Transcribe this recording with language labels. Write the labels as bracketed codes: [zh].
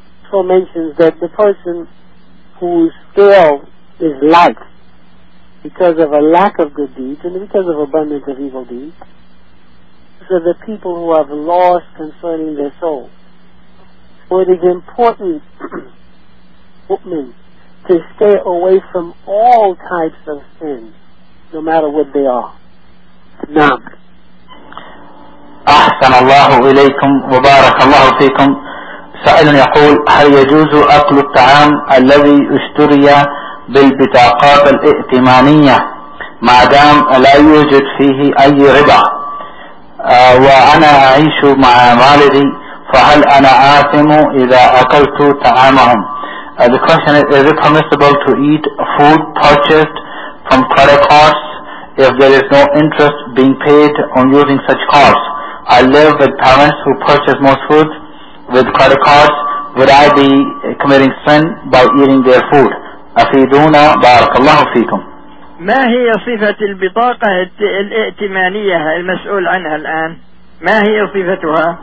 [en] So mentions that the person whose scale is light because of a lack of good deeds and because of abundance of evil deeds, so the people who have lost concerning their soul. So it is important to stay away from all types of sins, no matter what they are. [ar] Naam. أحسن الله إليكم وبارك الله فيكم. سائل يقول هل يجوز أكل الطعام الذي اشتري بالبطاقات الائتمانية ما دام لا يوجد فيه أي ربا وأنا أعيش مع والدي، فهل أنا آثم إذا أكلت طعامهم؟ [en] The question is it permissible to eat food purchased from credit cards if there is no interest being paid on using such cards? I live with parents who purchase most food with credit cards. Would I be committing sin by eating their food? [ar] أفيدونا بارك الله فيكم. ما هي صفة البطاقة الائتمانية المسؤول عنها الآن؟ ما هي صفتها؟